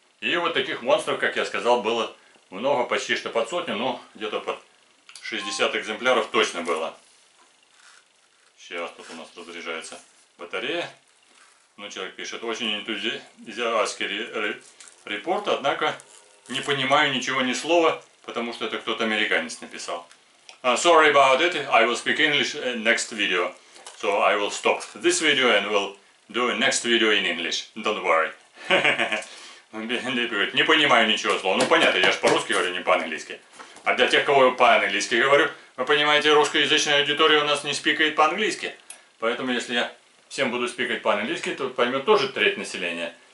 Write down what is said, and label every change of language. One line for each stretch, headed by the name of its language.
Russian: И вот таких монстров, как я сказал, было много, почти что под сотню, но где-то под 60 экземпляров точно было. Сейчас тут у нас разряжается батарея. Ну, человек пишет, очень энтузиастский репорт, однако не понимаю ничего, ни слова, потому что это кто-то американец написал.
English: Sorry about it, I will speak English next video. So I will stop this video and will do next video in English. Don't worry.
Russian: Не понимаю ничего слова. Ну понятно, я же по-русски говорю, не по-английски. А для тех, кого я по-английски говорю, вы понимаете, русскоязычная аудитория у нас не спикает по-английски. Поэтому если я всем буду спикать по-английски, то поймет тоже треть населения.